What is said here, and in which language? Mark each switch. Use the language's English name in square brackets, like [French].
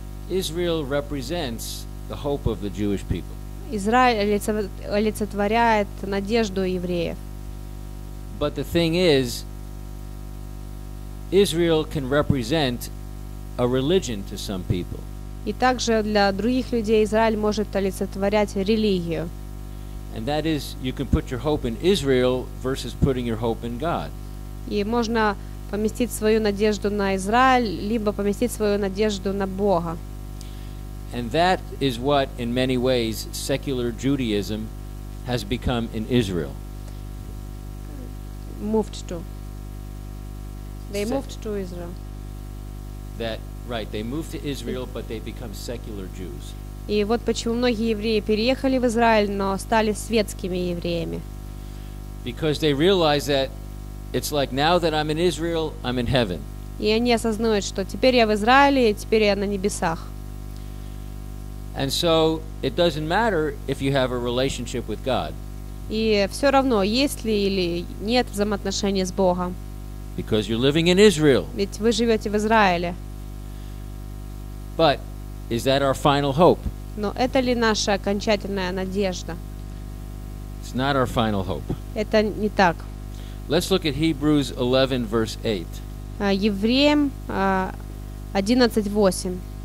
[English] Israel represents the hope of the Jewish people. [Russian] Израиль олицетворяет надежду евреев. [English] But the thing is, Israel can represent a religion to some people. [Russian] И также для других людей Израиль может олицетворять религию. [English] And that is, you can put your hope in Israel versus putting your hope in God. [Russian] И можно поместить свою надежду на Израиль, либо поместить свою надежду на Бога. [English] And that is what, in many ways, secular Judaism has become in Israel. They moved to Israel. They moved to Israel, but they become secular Jews. [Russian] И вот почему многие евреи переехали в Израиль, но стали светскими евреями. [English] Because they realize that it's like now that I'm in Israel, I'm in heaven. [Russian] И они осознают, что теперь я в Израиле, теперь я на небесах. [English] And so it doesn't matter if you have a relationship with God. [Russian] И все равно, есть ли или нет взаимоотношения с Богом. [English] Because you're living in Israel. [Russian] Ведь вы живете в Израиле. [English] But is that our final hope? [Russian] Но это ли наша окончательная надежда? [English] It's not our final hope. [Russian] Это не так. [English] Let's look at Hebrews 11, verse 8. [Russian] Евреям 11:8.